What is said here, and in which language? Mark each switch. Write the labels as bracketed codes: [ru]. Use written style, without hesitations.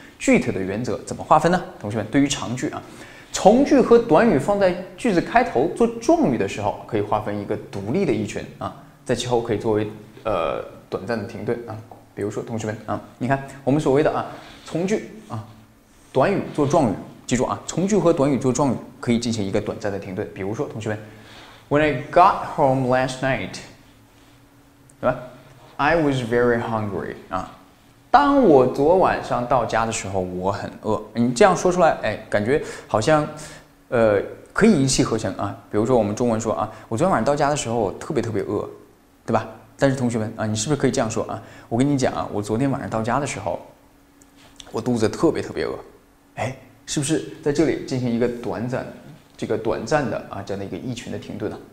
[zh] 具体的原则怎么划分呢？同学们，对于长句啊，从句和短语放在句子开头做状语的时候，可以划分一个独立的一群啊，在其后可以作为短暂的停顿啊。比如说，同学们啊，你看我们所谓的啊。从句啊，短语做状语，记住啊，从句和短语做状语可以进行一个短暂的停顿。比如说，同学们 [en] ，When I got home last night, I was very hungry. [zh] 啊，当我昨晚上到家的时候，我很饿。你这样说出来，哎，感觉好像，可以一气呵成啊。比如说，我们中文说啊，我昨天晚上到家的时候特别特别饿，对吧？但是同学们啊，你是不是可以这样说啊？我跟你讲啊，我昨天晚上到家的时候，我肚子特别特别饿，哎，是不是在这里进行一个短暂的啊这样的一个意群的停顿呢、啊？